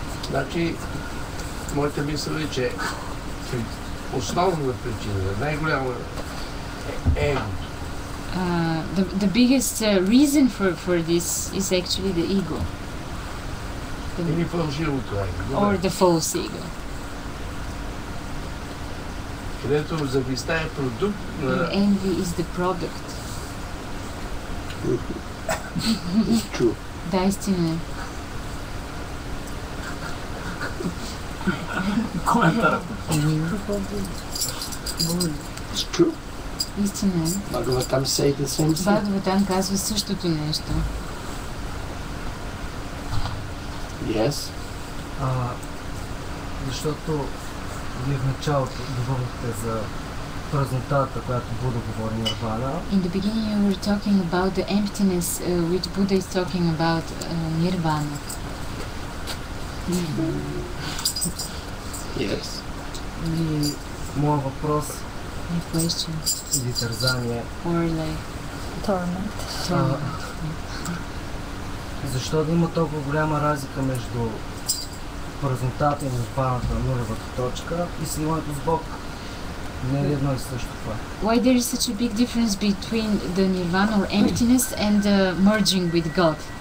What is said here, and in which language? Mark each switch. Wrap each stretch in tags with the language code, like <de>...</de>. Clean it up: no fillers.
<bg>Значи, моята мисъл е, че основна причина, най-голяма е егото.</bg> <en>The biggest reason for this is actually the ego.</en> <bg>Или фалшивото</bg> <en>его. Or the false ego.</en> <bg>Където завистта е продукт на...</bg> <en>Envy is the product. It's true.</en> <bg>Да, истина.</bg> <en>It's true.</en> <bg>Истина.</bg> <en>Бхагаватам say the same thing.</en> <bg>Бхагаватам казва същото нещо.</bg> <en>Yes.</en> <bg>Защото вие в началото говорихте за празнотата, която Буда говори нирвана.</bg> <en>In the beginning you were talking about the emptiness which Buddha is talking about nirvana. Yes.</en> <bg>И моя въпрос.</bg> <en>My question.</en> <bg>Или тързание.</bg> <en>Or like torment.</en> <bg>Защо да има толкова голяма разлика между празнотата и нирваната нулевата точка и сливането с Бог? Не е едно и също това.</bg> <en>Why there is such a big difference between the nirvana or emptiness and the merging with God?</en>